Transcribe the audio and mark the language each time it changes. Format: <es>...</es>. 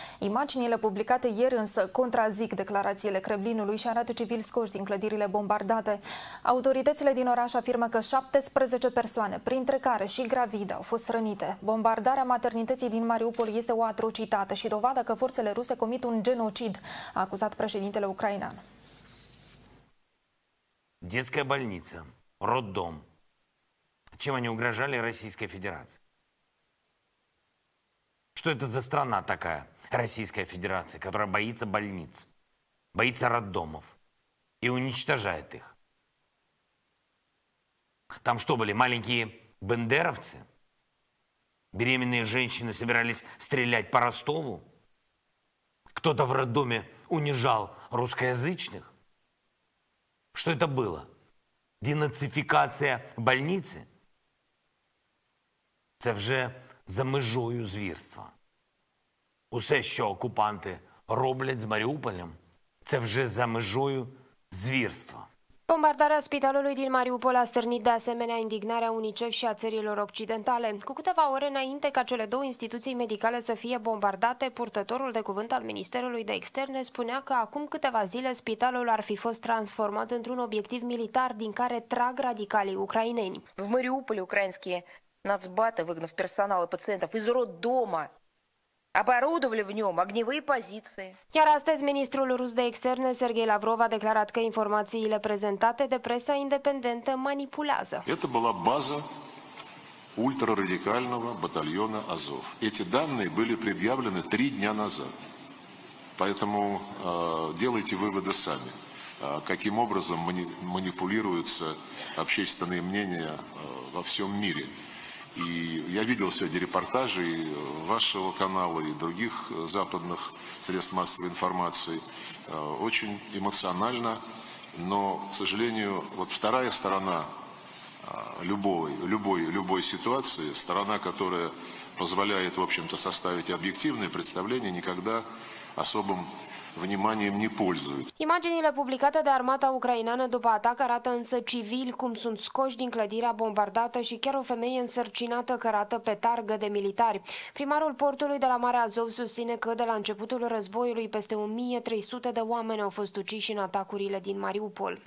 <ro>Imaginile publicate ieri însă contrazic declarațiile Kremlinului și arată civili scoși din clădirile bombardate. Autoritățile din oraș afirmă că 17 persoane, printre care și gravide, au fost rănite. Bombardarea maternității din Mariupol este o atrocitate și dovadă că forțele ruse comit un genocid, a acuzat președintele ucrainean.</ro> <ru>Детская больница, роддом. Чем они угрожали Российской Федерации? Что это за страна такая, Российская Федерация, которая боится больниц, боится роддомов и уничтожает их? Там что были, маленькие бандеровцы? Беременные женщины собирались стрелять по Ростову? Кто-то в роддоме унижал русскоязычных? Что это было? Денацификация больницы?</ru> <uk>Це вже за межою звірства. Усе, що окупанти роблять з Маріуполем, це вже за межою звірства.</uk> <ro>Bombardarea spitalului din Mariupol a stârnit de asemenea indignarea UNICEF și a țărilor occidentale. Cu câteva ore înainte ca cele două instituții medicale să fie bombardate, purtătorul de cuvânt al Ministerului de Externe spunea că acum câteva zile spitalul ar fi fost transformat într-un obiectiv militar din care trag radicalii ucraineni.</ro> <ru>В Мариуполе украинские нацбаты, выгнав персонал и пациентов из роддома, оборудовали в нем огневые позиции.</ru> <ro>Iar astăzi, ministrul rus de externe, Sergei Lavrov, a declarat că informațiile prezentate de presa independentă manipulează.</ro> <ru>Это была база ультрарадикального батальона Азов. Эти данные были предъявлены 3 дня назад. Поэтому делайте выводы сами, каким образом манипулируются общественные мнения во всем мире. И я видел сегодня репортажи и вашего канала, и других западных средств массовой информации. Очень эмоционально, но, к сожалению, вот вторая сторона любой ситуации, сторона, которая позволяет, в общем-то, составить объективное представление, никогда особым вниманием не пользуются.</ru> <ro>Imaginile publicate de armata ucraineană după atac arată însă civili cum sunt scoși din clădirea bombardată și chiar o femeie însărcinată cărată pe targă de militari. Primarul portului de la Marea Azov susține că de la începutul războiului peste 1300 de oameni au fost uciși în atacurile din Mariupol.</ro>